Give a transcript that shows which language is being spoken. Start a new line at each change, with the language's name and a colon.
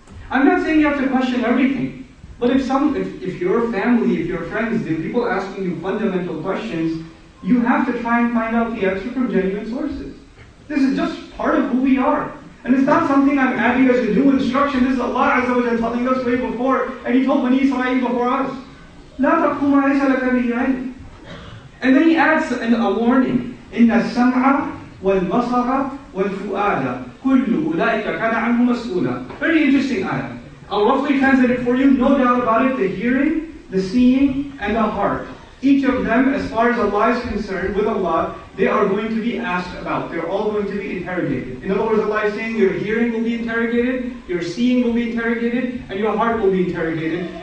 English: I'm not saying you have to question everything. But if your family, if your friends, the people asking you fundamental questions, you have to try and find out the answer from genuine sources. This is just part of who we are. And it's not something I'm adding as a new instruction. This is Allah Azza wa Jalla telling us way before. And He told Bani Israel before us.
Arabic: لَا تَقُوا مَا لَيْسَ لَكَ مِنْ عِلْمٍ.
English: And then he adds a warning.
Arabic: إِنَّ السَّمْعَ وَالْبَصَرَ وَالْفُؤَادَ كُلُّ أُولَٰئِكَ كَانَ عَنْهُ مَسْئُولًا.
English: Very interesting ayah. I'll roughly translate it for you. No doubt about it, the hearing, the seeing, and the heart. Each of them, as far as Allah is concerned, with Allah, they are going to be asked about. They're all going to be interrogated. In other words, Allah is saying your hearing will be interrogated, your seeing will be interrogated, and your heart will be interrogated.